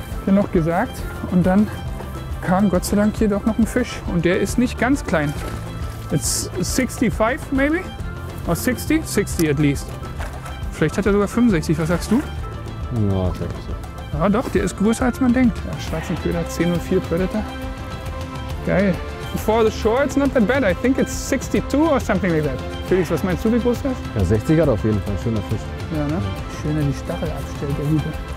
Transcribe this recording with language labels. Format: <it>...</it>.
<de>Hier noch gesagt und dann kam Gott sei Dank hier doch noch ein Fisch und der ist nicht ganz klein.</de> <en>It's 65 maybe? Or 60? 60 at least.</en> <de>Vielleicht hat er sogar 65, was sagst du? Ja, 60. Ja doch, der ist größer als man denkt. Ja, schwarzen Köder, 10,04 Predator. Geil.</de> <en>Before the shore it's not that bad, I think it's 62 or something like that.</en> <de>Felix, was meinst du, wie groß das ist? Ja, 60 hat auf jeden Fall, schöner Fisch. Ja, ne? Schöner die Stachel abstellt, der Liebe.</de>